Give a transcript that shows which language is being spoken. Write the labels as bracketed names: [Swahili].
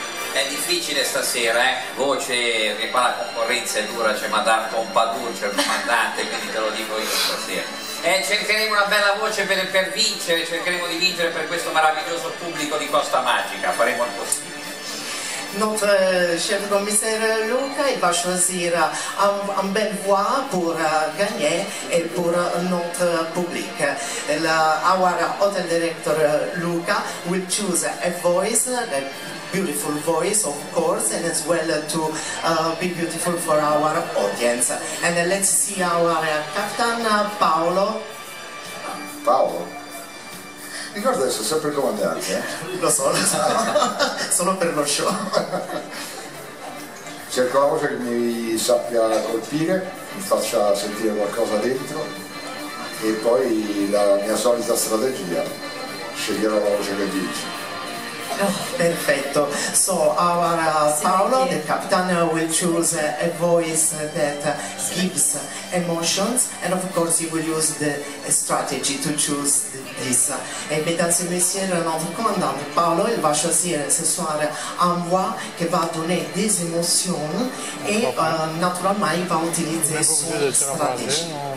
[Italian] È difficile stasera, voce, che qua la concorrenza è dura, c'è Madame Pompadour, c'è il comandante, quindi te lo dico io stasera. Cercheremo una bella voce per vincere, cercheremo di vincere per questo meraviglioso pubblico di Costa Magica, faremo il possibile. [French] Notre cher commissaire Luca, il va choisir un bel voix pour gagner et pour notre public. [English] Our hotel director Luca will choose a voice, a beautiful voice, of course, and as well to be beautiful for our audience. And let's see our captain Paolo. [Italian] Paolo? Mi ricordo adesso sempre il comandante, Lo so, lo so. Solo per lo show. Cerco una voce che mi sappia colpire, mi faccia sentire qualcosa dentro e poi la mia solita strategia, sceglierò la voce che dici. Oh, perfetto. [English] So our Paolo, the captain, will choose a voice that gives emotions and of course he will use the strategy to choose this. [French] Et mesdames et messieurs, notre commandant Paolo, il va choisir ce soir un voix qui va donner des émotions et [Italian] naturalmente [French] va utiliser son stratégie.